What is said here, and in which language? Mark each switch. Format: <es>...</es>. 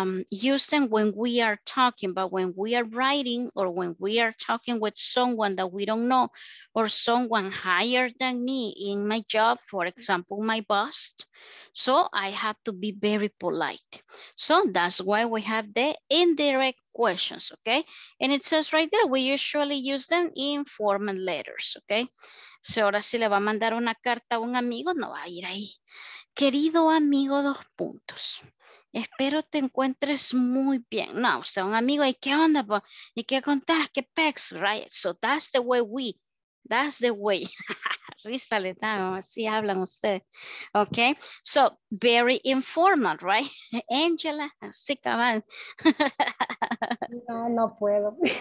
<en>use them when we are talking, but when we are writing or when we are talking with someone that we don't know or someone higher than me in my job, for example, my boss, so I have to be very polite. So that's why we have the indirect questions, okay? And it says right there, we usually use them in formal letters, okay?</en> <es>Si ahora sí le va a mandar una carta a un amigo, no va a ir ahí. Querido amigo, dos puntos. Espero te encuentres muy bien. No, usted un amigo, ¿y qué onda, po? ¿Y qué contás? ¿Qué pex? Right?</es> <en>So that's the way we, that's the way.</en> <es>Risa le da, así hablan ustedes.</es> <en>Okay, so very informal, right?</en> <es>Angela, así cabal. No, no puedo.</es>